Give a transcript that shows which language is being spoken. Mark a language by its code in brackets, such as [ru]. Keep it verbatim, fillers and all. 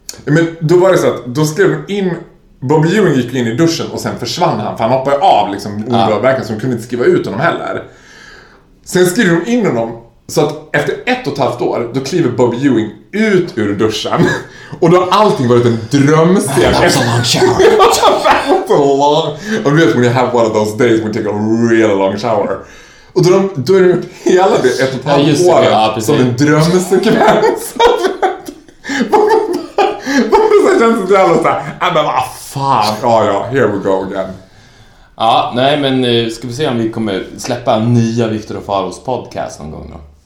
[sv] Men då var det så att, då skrev de in, Bobby Ewing gick in i duschen och sen försvann han. För han hoppade av liksom, ordavverkan, så de kunde inte skriva ut honom heller. Sen skrev de in honom. Så att efter ett och ett halvt år, då kliver Bobby Ewing ut ur duschen. Och då har allting varit en drömscen. [en] That was a long shower. That was a long... [sv] Och du vet, [en] when you have one of those days, we take a real long shower. [sv] Och då, då är det gjort hela det ett och ett halvt år ja, som en drömsekvens. Varför känns det så jävla såhär, men vad fan, ja ja, [en] here we go again. [sv] Ja, nej men ska vi se om vi kommer släppa nya Viktor och Faros podcast någon gång då.